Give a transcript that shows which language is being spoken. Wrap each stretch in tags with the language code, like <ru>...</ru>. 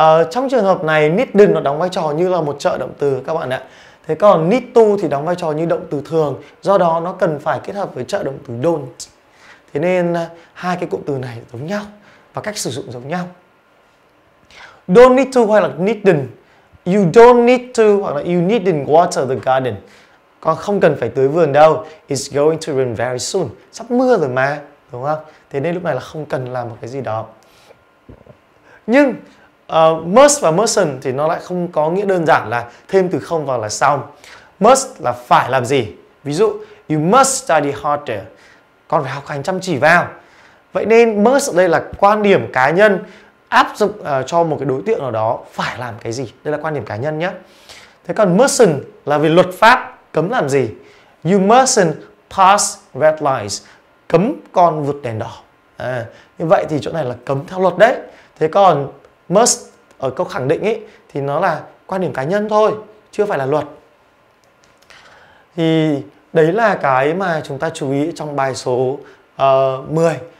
<vi>Trong trường hợp này, needn't nó đóng vai trò như là một trợ động từ các bạn ạ. Thế còn need to thì đóng vai trò như động từ thường, do đó nó cần phải kết hợp với trợ động từ don't. Thế nên hai cái cụm từ này giống nhau và cách sử dụng giống nhau.</vi> <en>Don't need to</en> <vi>hoặc là</vi> <en>needn't. You don't need to</en> <vi>hoặc là</vi> <en>you needn't water the garden.</en> <vi>Con không cần phải tưới vườn đâu.</vi> <en>It's going to rain very soon.</en> <vi>Sắp mưa rồi mà, đúng không? Thế nên lúc này là không cần làm một cái gì đó. Nhưng must và mustn't thì nó lại không có nghĩa đơn giản là thêm từ không vào là xong. Must là phải làm gì. Ví dụ,</vi> <en>you must study harder.</en> <vi>Con phải học hành chăm chỉ vào. Vậy nên must đây là quan điểm cá nhân áp dụng cho một cái đối tượng nào đó phải làm cái gì. Đây là quan điểm cá nhân nhé. Thế còn mustn't là vì luật pháp cấm làm gì.</vi> <en>You mustn't pass red lights.</en> <vi>Cấm con vượt đèn đỏ. Như vậy thì chỗ này là cấm theo luật đấy. Thế còn must ở câu khẳng định ấy thì nó là quan điểm cá nhân thôi, chưa phải là luật. Thì đấy là cái mà chúng ta chú ý trong bài số 10.</vi>